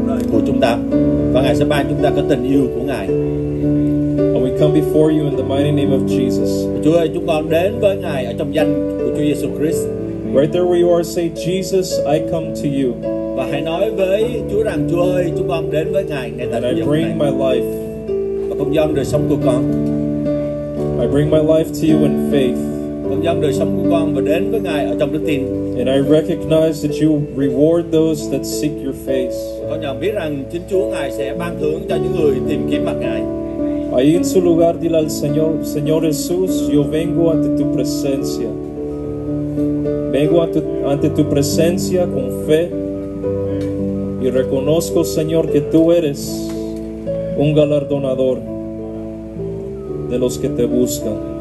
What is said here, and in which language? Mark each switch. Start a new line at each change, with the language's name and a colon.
Vietnamese: Của chúng ta và Ngài sẽ ban chúng ta cái tình yêu của Ngài.
English: And we come before you in the mighty name of Jesus.
Vietnamese: Chúa ơi, chúng con đến với Ngài ở trong danh của Chúa Jesus Christ.
English: Right there where you are, say, Jesus, I come to you.
Vietnamese: Và hãy nói với Chúa rằng, Chúa ơi, chúng con đến với Ngài ngày tận
English: dụng. I bring my life.
Vietnamese: Và con dâng đời sống của con.
English: I bring my life to you in faith.
Vietnamese: Con dâng đời sống của con và đến với Ngài ở trong đức tin.
English: And I recognize that you reward those that seek your face.
Vietnamese: Con nhận biết rằng chính Chúa Ngài sẽ ban thưởng cho những người tìm kiếm mặt Ngài.
Spanish: Ahí en su lugar, dile al Señor, Señor Jesús, yo vengo ante tu presencia. Vengo ante tu presencia con fe y reconozco, Señor, que tú eres un galardonador de los que te buscan.